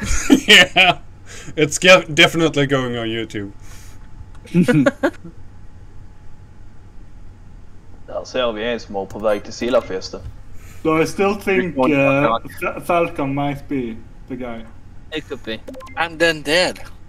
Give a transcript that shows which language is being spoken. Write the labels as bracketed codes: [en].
[en] Yeah, it's definitely going on YouTube. [sv] Där ser vi en som är på väg till Silafesten. [en] So I still think Falcon might be the guy. It could be. And then dead.